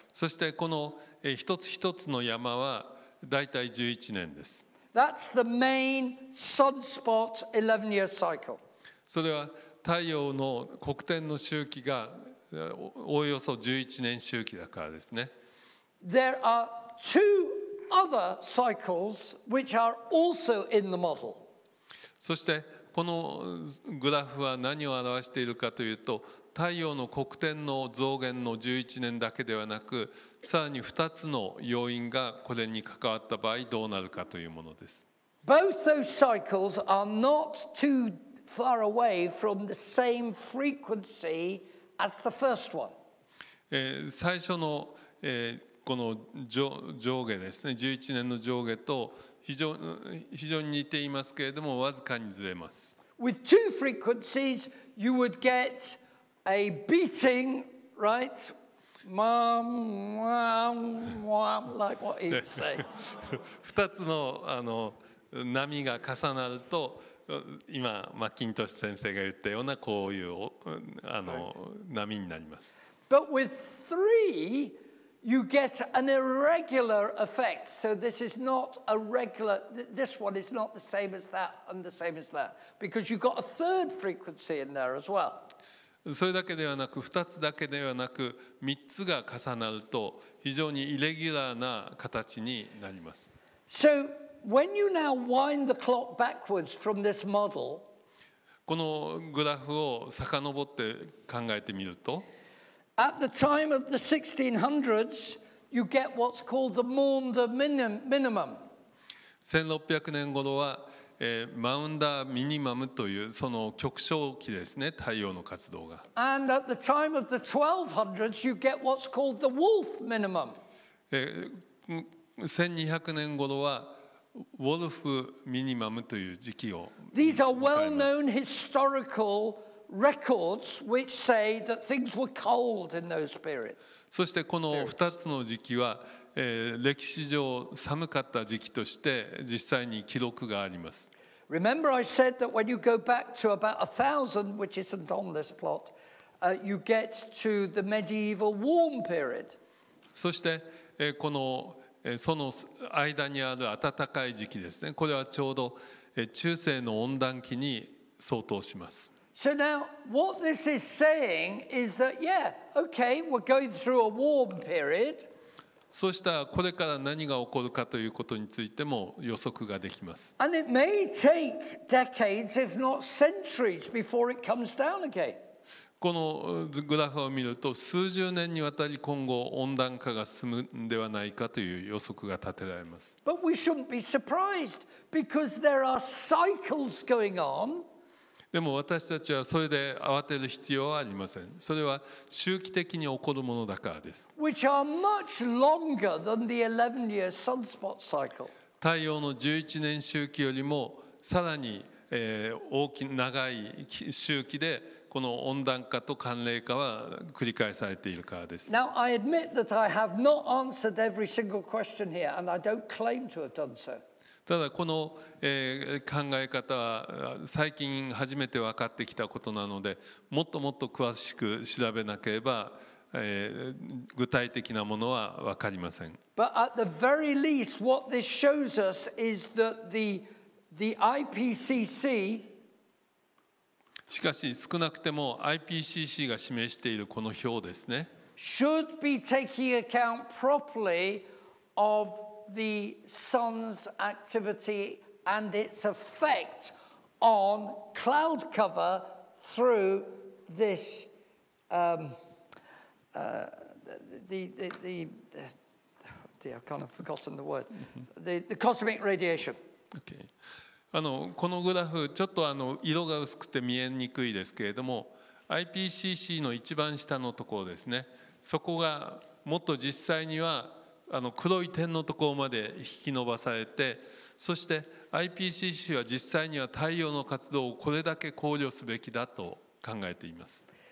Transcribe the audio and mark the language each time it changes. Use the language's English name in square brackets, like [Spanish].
[Japanese] そしてこの一つ一つの山はだいたい11年です。 [English] That's the main sunspot 11 year cycle. [Japanese] それは太陽の黒点の周期がおおよそ11年周期だからですね。 [English] There are two other cycles which are also in the model. [Japanese] そしてこのグラフは何を表しているかというと、太陽の黒点の増減の11年だけではなく、さらに2つの要因がこれに関わった場合どうなるかというものです。 [English] Both those cycles are not too far away from the same frequency as the first one. [Japanese] 最初のこの上下ですね、11年の上下と非常に似ていますけれども、わずかにずれます。 [English] With two frequencies, you would get a beating, right? Mom, mom, mom, like what he would say. [Japanese] 二つの、波が重なると、今、マッキントッシュ先生が言ったような、こういう、波になります。 [English] But with three,You get an irregular effect. So this is not a regular. This one is not the same as that and the same as that because you've got a third frequency in there as well. [Japanese] それだけではなく、2つだけではなく、3つが重なると非常にイレギュラーな形になります。 [English] So when you now wind the clock backwards from this model, [Japanese] このグラフを遡って考えてみると。 [English] At the time of the 1600s, you get what's called the Maunder minimum. [Japanese] 1600年頃は、マウンダーミニマムというその極小期ですね、太陽の活動が。 [English] And at the time of the 1200s, you get what's called the wolf minimum. [Japanese] 1200年頃はウォルフミニマムという時期を迎えます。 [English] These are well-known historical records which say that things were cold in those periods. [Japanese] そしてこの2つの時期は、歴史上寒かった時期として実際に記録があります。 [English] Remember, I said that when you go back to about 1000, which isn't on this plot, you get to the medieval warm period. [Japanese] そして、このその間にある暖かい時期ですね。これはちょうど中世の温暖期に相当します。 [English] So now, what this is saying is that, yeah, okay, we're going through a warm period. [Japanese] そうしたらこれから何が起こるかということについても予測ができます。 [English] And it may take decades, if not centuries, before it comes down again. [Japanese] このグラフを見ると数十年にわたり今後温暖化が進むのではないかという予測が立てられます。 [English] But we shouldn't be surprised because there are cycles going on. [Japanese] でも私たちはそれで慌てる必要はありません。それは周期的に起こるものだからです。 [English] Which are much longer than the 11-year sunspot cycle. [Japanese] 太陽の11年周期よりもさらに大きな長い周期でこの温暖化と寒冷化は繰り返されているからです。 [English] Now I admit that I have not answered every single question here, and I don't claim to have done so. [Japanese] ただこの考え方は最近初めて分かってきたことなので、もっともっと詳しく調べなければ具体的なものは分かりません。 [English] But at the very least, what this shows us is that the IPCC. [Japanese] しかし少なくても IPCC が示しているこの表ですね。 [English] Should be taking account properly of. The sun's activity and its effect on cloud cover through this the cosmic radiation. Okay. [Japanese] このグラフちょっと色が薄くて見えにくいですけれども、IPCC の一番下のところですね。そこがもっと実際には黒い点のところまで引き伸ばされて、そして IPCC は実際には太陽の活動をこれだけ考慮すべきだと考えています。